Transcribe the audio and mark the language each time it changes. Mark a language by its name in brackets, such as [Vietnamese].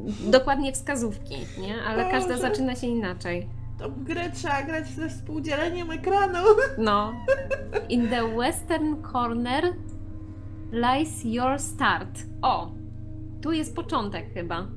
[Polish] Dokładnie wskazówki, nie? Ale Boże. Każda zaczyna się inaczej. To grę trzeba grać ze współdzieleniem ekranu. No. [English] In the western corner lies your start. [Polish] O, tu jest początek chyba.